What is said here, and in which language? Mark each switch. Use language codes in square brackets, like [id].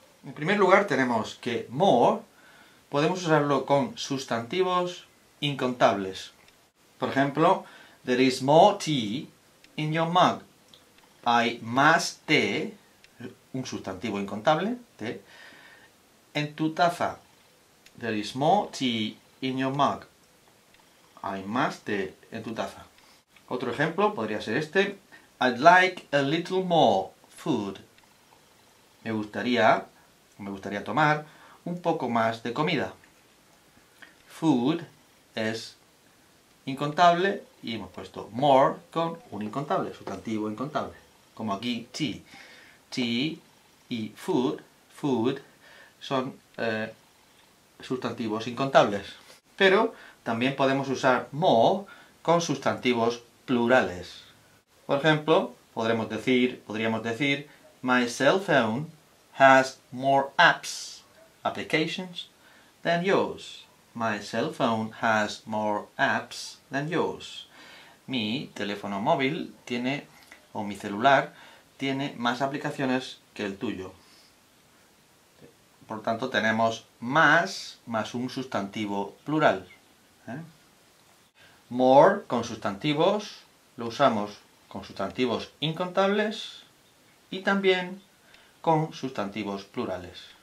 [es] En primer lugar, tenemos que more podemos usarlo con sustantivos incontables. Por ejemplo, [en] there is more tea in your mug. [es] Hay más té, un sustantivo incontable, té, en tu taza. [en] There is more tea in your mug. [es] Hay más té en tu taza. Otro ejemplo podría ser este. [en] I'd like a little more food. [es] Me gustaría tomar un poco más de comida. Food es incontable y hemos puesto more con un incontable, sustantivo incontable. Como aquí, tea. Tea y food, food, son sustantivos incontables. Pero también podemos usar more con sustantivos plurales. Por ejemplo, podríamos decir, [en] my cell phone has more applications than yours. My cell phone has more apps than yours. [es] Mi teléfono móvil tiene, o mi celular, tiene más aplicaciones que el tuyo. Por tanto, tenemos más un sustantivo plural. More con sustantivos, lo usamos con sustantivos incontables y también con sustantivos plurales.